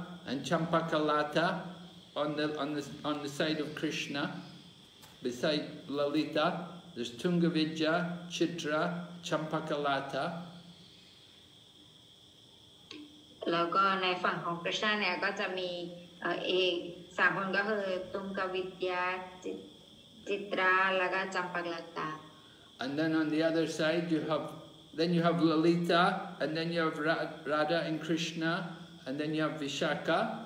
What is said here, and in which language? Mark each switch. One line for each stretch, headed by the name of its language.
English: And Champakalata on the side of Krishna, beside Lalita, there's Tungavidya, Chitra, Champakalata.
Thai: แล้วก็ในฝั่งของ Krishna เนี่ยก็จะมีเอกสามคนก็คือ Tungavidya, Chitra, แล้วก็ Champakalata.
English: And then on the other side you have Lalita, and then you have Radha and Krishna. And then you have Vishakha.